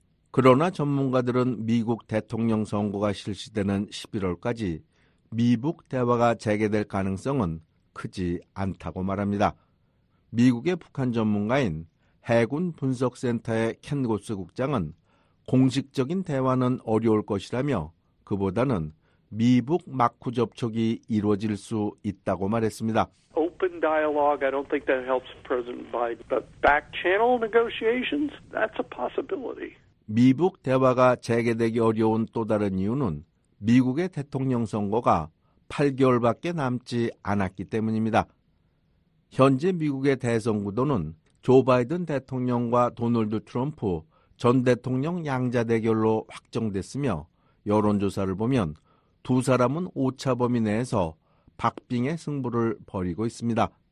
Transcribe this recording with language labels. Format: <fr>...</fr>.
<ko>그러나 전문가들은 미국 대통령 선거가 실시되는 11월까지 미북 대화가 재개될 가능성은 크지 않다고 말합니다. 미국의 북한 전문가인 해군 분석센터의 켄 고스 국장은 공식적인 대화는 어려울 것이라며 그보다는 미북 막후 접촉이 이루어질 수 있다고 말했습니다.</ko> <en>Open dialogue, I don't think that helps President Biden, but back channel negotiations, that's a possibility.</en> <ko>미북 대화가 재개되기 어려운 또 다른 이유는 미국의 대통령 선거가 8개월밖에 남지 않았기 때문입니다. 현재 미국의 대선 구도는 조 바이든 대통령과 도널드 트럼프 전 대통령 양자 대결로 확정됐으며 여론조사를 보면 두 사람은 오차 범위 내에서 박빙의 승부를 벌이고 있습니다.</ko>